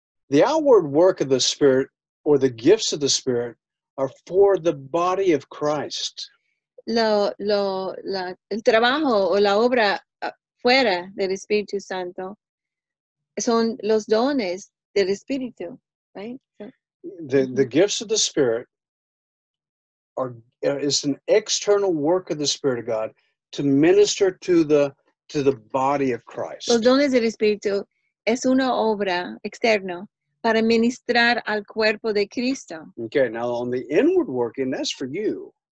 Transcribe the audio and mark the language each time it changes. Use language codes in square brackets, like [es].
[en] The outward work of the Spirit or the gifts of the Spirit are for the body of Christ. [es] El trabajo o la obra fuera del Espíritu Santo son los dones del Espíritu, right? [en] The gifts of the Spirit is an external work of the Spirit of God to minister to the body of Christ. [es] Los dones del Espíritu es una obra externa para ministrar al cuerpo de Cristo. [en] Okay, now on the inward working, that's for you.